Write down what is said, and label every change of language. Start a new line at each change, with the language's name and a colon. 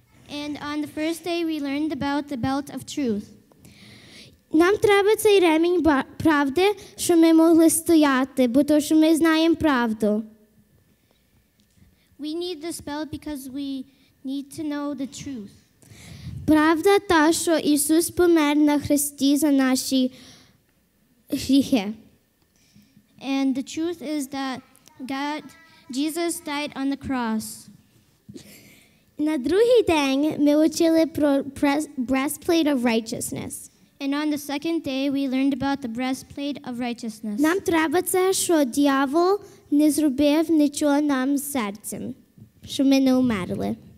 English: And on the first day, we learned about the belt of truth.
Ukrainian: Нам треба цей ремінь правди, щоб ми могли стояти, бо то, що ми знаємо правду.
English: We need this belt because we need to know the truth.
Ukrainian: Правда та, що Ісус помер на хресті за наші гріхи.
English: And the truth is that Jesus died on the cross.
Ukrainian: На другий день ми вчили про
English: breastplate of righteousness. And on the second day, we learned about the breastplate of righteousness.
Ukrainian: Нам треба це, що диявол не зробив нічого нам серцем, щоб ми не умерли.